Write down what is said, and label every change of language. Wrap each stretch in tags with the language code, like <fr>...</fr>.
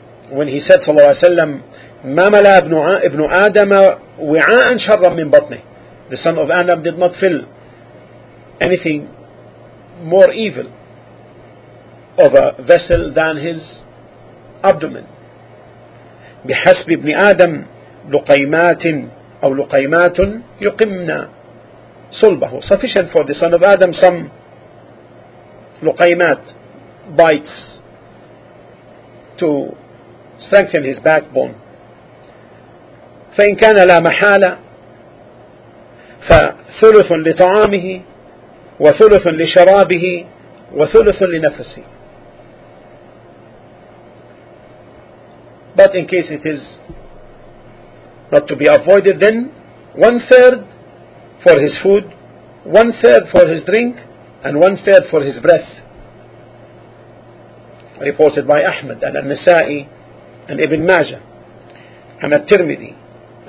<en>when he said sallallahu alaihi wasallam,</en> <ar>مَا مَلَى ابْنُ آدَمَ وِعَاءً شَرًّا مِنْ بَطْنِهِ,</ar> <en>the son of Adam did not fill anything more evil of a vessel than his abdomen.</en> <ar>بِحَسْبِ ابْنِ آدَمْ لُقَيْمَاتٍ أو لقيمات يقمنا صلبه.</ar> <en>Sufficient for the son of Adam some لقيمات, bites, to strengthen his backbone.</en> <ar>فإن كان لا محالة فثلث لطعامه وثلث لشرابه وثلث لنفسه.</ar> <en>But in case it is not to be avoided, then one third for his food, one third for his drink, and one third for his breath. reported by Ahmad, and An-Nasa'i, and Ibn Majah, and At-Tirmidhi.</en>